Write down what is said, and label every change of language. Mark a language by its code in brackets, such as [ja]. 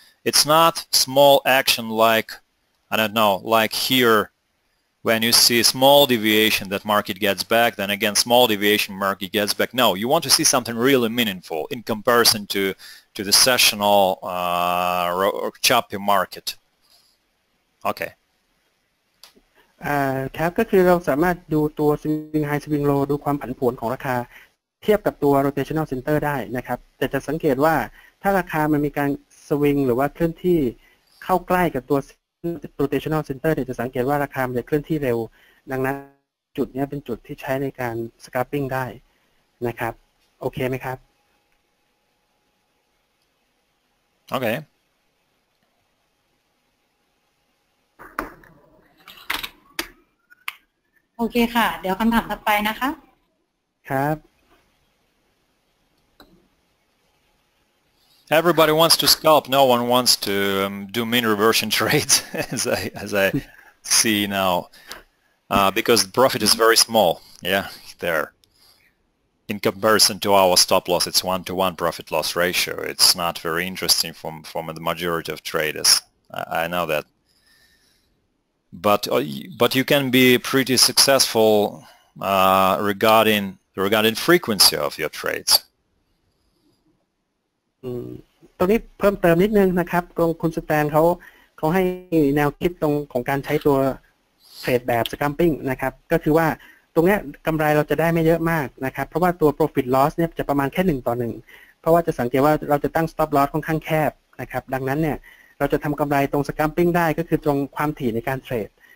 [en] It's not small action like, I don't know, like here when you see a small deviation that market gets back, then again small deviation market gets back. No, you want to see something really meaningful in comparison to the sessional choppy market. Okay. [th] ครับก็คือเราสามารถดูตัว swing high swing low ดูความผันผวนของราคาเทียบกับตัว rotational center ได้นะครับแต่จะสังเกตว่าถ้าราคามันมีการสวิงหรือว่าเคลื่อนที่เข้าใกล้กับตัว rotational center จะสังเกตว่าราคามันจะเคลื่อนที่เร็วดังนั้นจุดนี้เป็นจุดที่ใช้ในการ scalping ได้นะครับโอเคไหมครับ โอเค โอเคค่ะเดี๋ยวคำถามต่อไปนะคะ ครับ [en] Everybody wants to scalp. No one wants to do mean reversion trades, as I see now, because the profit is very small. Yeah, there. In comparison to our stop loss, it's 1-to-1 profit loss ratio. It's not very interesting from the majority of traders. I know that. But you can be pretty successful regarding frequency of your trades. [th] ตรงนี้เพิ่มเติมนิดนึงนะครับคุณสแตนเขาให้แนวคิดตรงของการใช้ตัวเทรดแบบ scalping นะครับก็คือว่าตรงนี้กำไรเราจะได้ไม่เยอะมากนะครับเพราะว่าตัว profit loss เนี่ยจะประมาณแค่1-1เพราะว่าจะสังเกตว่าเราจะตั้ง stop loss ค่อนข้างแคบนะครับดังนั้นเนี่ยเราจะทำกำไรตรง scalping ได้ก็คือตรงความถี่ในการเทรด